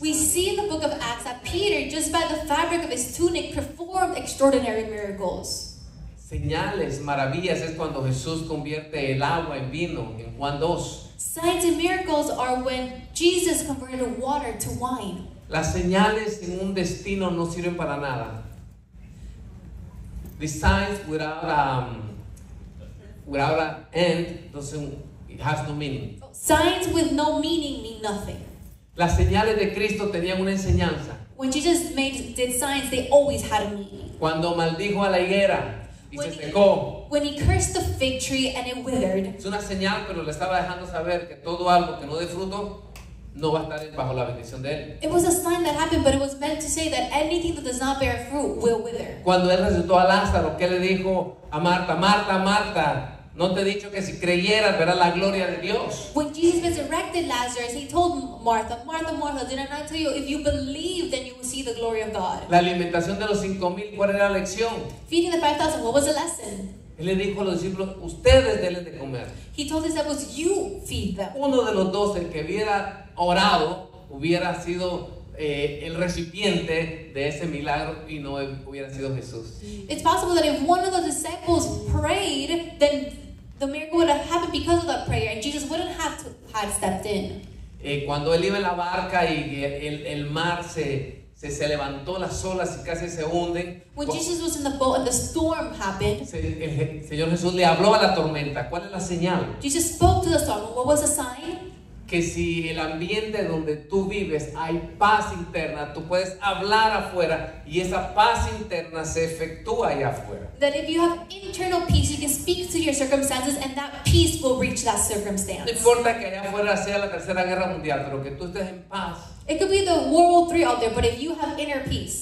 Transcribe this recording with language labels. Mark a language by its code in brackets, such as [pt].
[en] We see in the book of Acts that Peter, just by the fabric of his tunic, performed extraordinary miracles. [es] Señales, maravillas, es cuando Jesús convierte el agua en vino, en Juan 2. [en] Signs and miracles are when Jesus converted water to wine. [es] Las señales en un destino no sirven para nada. [en] The signs without an end doesn't, it has no meaning. Signs with no meaning mean nothing. [es] Las señales de Cristo tenían una enseñanza. [en] When Jesus did signs, they always had a meaning. [es] Cuando maldijo a la higuera y se secó. [en] When he cursed the fig tree and it withered. [es] Es una señal, pero le estaba dejando saber que todo algo que no dé fruto no va a estar bajo la bendición de él. [en] It was a sign that happened, but it was meant to say that anything that does not bear fruit will wither. [es] Cuando él resucitó a Lázaro, ¿qué le dijo a Marta? Marta, Marta, ¿no te he dicho que si creyeras verás la gloria de Dios? [en] When Jesus resurrected Lazarus, he told Martha, Martha, Martha, did I not tell you if you believe, then you will see the glory of God? [es] La alimentación de los 5,000, ¿cuál era la lección? [en] Feeding the 5,000, what was the lesson? [es] Él le dijo a los discípulos, ustedes denles de comer. [en] He told his disciples, you feed them. [es] Uno de los 12 que viera orado hubiera sido el recipiente de ese milagro y no hubiera sido Jesús. [en] It's possible that if one of the disciples prayed, then the miracle would have happened because of that prayer and Jesus wouldn't have to have stepped in. [es] Cuando él iba en la barca y el mar se levantó las olas y casi se hunden. [en] When Jesus was in the boat and the storm happened, [es] el Señor Jesús le habló a la tormenta. ¿Cuál es la señal? [en] Jesus spoke to the storm. What was the sign? [es] que si el ambiente donde tú vives hay paz interna, tú puedes hablar afuera y esa paz interna se efectúa allá afuera. [en] That if you have internal peace, you can speak to your circumstances and that peace will reach that circumstance. [es] No importa que allá afuera sea la tercera guerra mundial, pero que tú estés en paz. [en] It could be the World War III out there, but if you have inner peace,